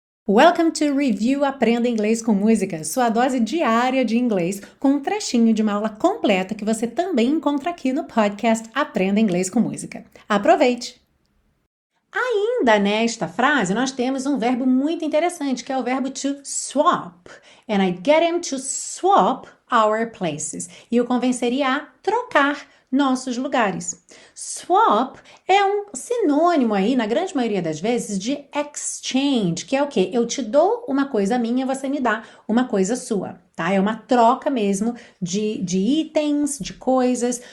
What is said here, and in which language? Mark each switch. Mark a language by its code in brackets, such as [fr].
[en] Welcome to [pt] Review Aprenda Inglês com Música, sua dose diária de inglês, com um trechinho de uma aula completa que você também encontra aqui no podcast Aprenda Inglês com Música. Aproveite! Ainda nesta frase, nós temos um verbo muito interessante, que é o verbo to swap. [en] And I'd get him to swap our places. [pt] E o convenceria a trocar nossos lugares. Swap é um sinônimo aí, na grande maioria das vezes, de exchange, que é o quê? Eu te dou uma coisa minha, você me dá uma coisa sua, tá? É uma troca mesmo de itens, de coisas.